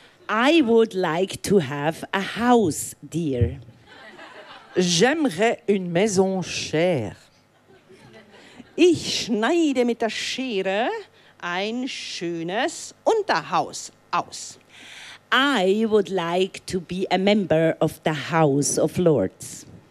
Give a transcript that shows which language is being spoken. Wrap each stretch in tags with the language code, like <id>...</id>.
<en>I would like to have a house, dear.</en> <fr>J'aimerais une maison chère.</fr> <de>Ich schneide mit der Schere ein schönes Unterhaus aus.</de> <en>I would like to be a member of the House of Lords.</en>